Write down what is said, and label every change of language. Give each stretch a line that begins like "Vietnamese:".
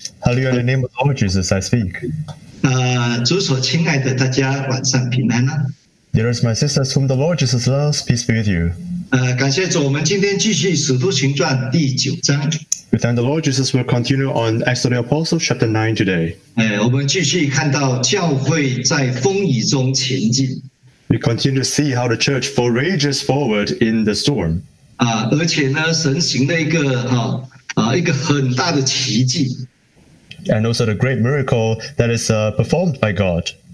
English: Hallelujah, in the name of Lord Jesus, I speak.
Chinese: 主所亲爱的大家晚上平安啊。
English: Dearest my sisters, whom the Lord Jesus loves, peace be with you.
Chinese: 感谢主，我们今天继续使徒行传第九章。
English: We thank the Lord Jesus, we'll continue on Acts of the Apostles, chapter 9 today.
Chinese: 我们继续看到教会在风雨中前进。
English: We continue to see how the church forages forward in the storm.
Chinese: 而且呢，神行了一个很大的奇迹。
English: And also the great miracle that is performed by God.